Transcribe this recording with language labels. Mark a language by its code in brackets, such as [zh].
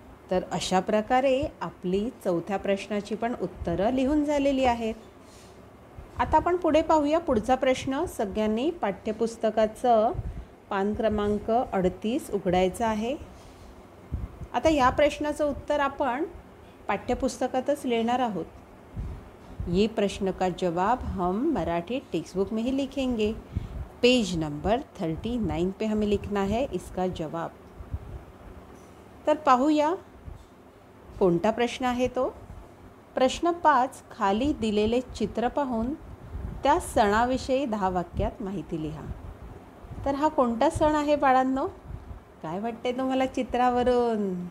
[mr] तर अशा प्रकारे आपली चौथ्या प्रश्नाची पण उत्तरं लिहून झालेली आहेत। आता आपण पुढे पाहूया पुढचा प्रश्न। सगळ्यांनी पाठ्यपुस्तकाचं पान क्रमांक 38 उघडायचं आहे। आता या प्रश्नाचं उत्तर आपण पाठ्यपुस्तकातच लेणार आहोत। [hi] ये प्रश्न का जवाब हम मराठी टेक्स्टबुक में ही लिखेंगे। पेज नंबर 39 पे हमें लिखना है इसका जवाब। [mr] तर पाहूया कोणता प्रश्न आहे तो। प्रश्न 5, खाली दिलेले चित्र पाहून त्या सणाविषयी 10 वाक्यात माहिती लिहा। तर हा कोणता सण आहे बाळांनो? काय वाटते तुम्हाला चित्रावरून?